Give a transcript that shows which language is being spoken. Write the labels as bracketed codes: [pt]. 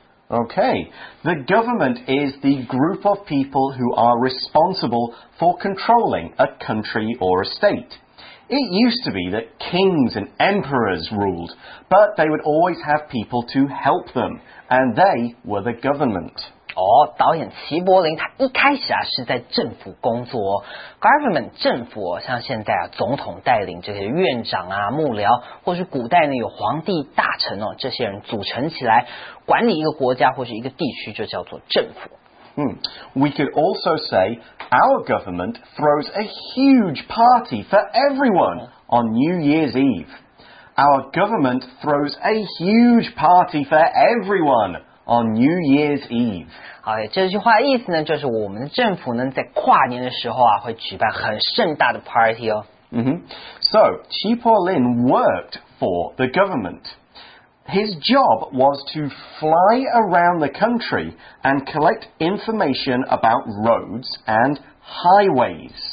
[en] Okay, the government is the group of people who are responsible for controlling a country or a state. It used to be that kings and emperors ruled, but they would always have people to help them, and they were the government. [zh] 哦，导演齐柏林他一开始啊是在政府工作、哦、，government 政府、哦、像现在啊总统带领这些院长啊幕僚，或是古代呢有皇帝大臣哦，这些人组成起来管理一个国家或是一个地区就叫做政府。 [en] We could also say our government throws a huge party for everyone on New Year's Eve. Our government throws a huge party for everyone. On New Year's Eve. [zh] 好，这句话的意思呢，就是我们的政府呢，在跨年的时候啊，会举办很盛大的 party 哦。 [en] So, Chi Po Lin worked for the government. His job was to fly around the country and collect information about roads and highways.